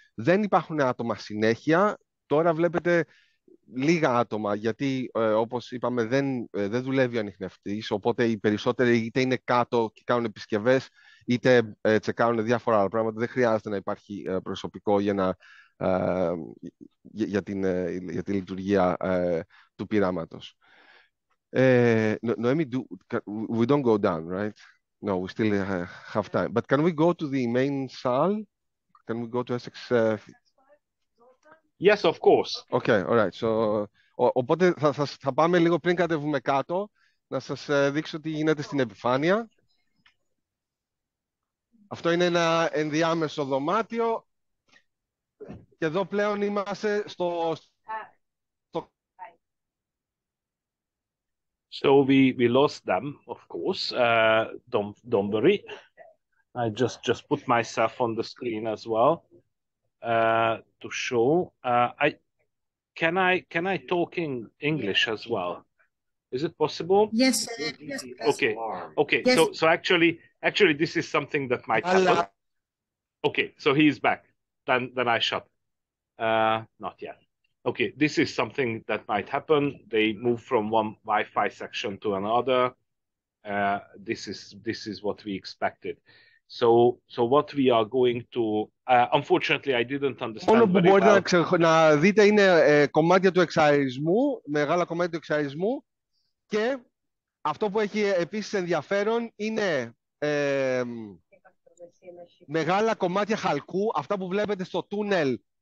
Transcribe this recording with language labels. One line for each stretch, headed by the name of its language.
Greek: Δεν υπάρχουν άτομα συνέχεια. Τώρα βλέπετε λίγα άτομα, γιατί όπως είπαμε δεν δουλεύει ο ανιχνευτής, οπότε οι περισσότεροι είτε είναι κάτω και κάνουν επισκευές, είτε τσεκάρουν διάφορα άλλα πράγματα. Δεν χρειάζεται να υπάρχει προσωπικό για να, για τη λειτουργία του πειράματος.
English: Noemi, we don't go down, right? No, we still have time. But can we go to the main sal? Can we go to Essex? Yes, of course. Okay, all right.
Greek: So, οπότε θα πάμε λίγο πριν κατεβούμε κάτω, να σας δείξω τι γίνεται στην επιφάνεια. Αυτό είναι ένα ενδιάμεσο δωμάτιο. Και εδώ πλέον είμαστε στο...
English: So we lost them, of course. Don't worry. I just put myself on the screen as well to show. Can I talk in English as well? Is it possible? Yes, sir. Yes. Okay. Okay. Yes. So actually, this is something that might happen. Okay. So he's back. Then I shut. Not yet. Okay, this is something that might happen. They move from one Wi-Fi section to another. This is what we expected. So what we are going to... unfortunately, I didn't understand very well.
Greek: Μπορείτε να δείτε είναι κομμάτια του εξαρισμού, μεγάλα κομμάτια του εξαρισμού. Και αυτό που έχει επίσης ενδιαφέρον είναι μεγάλα κομμάτια χαλκού, αυτά που βλέπετε στο τούνελ.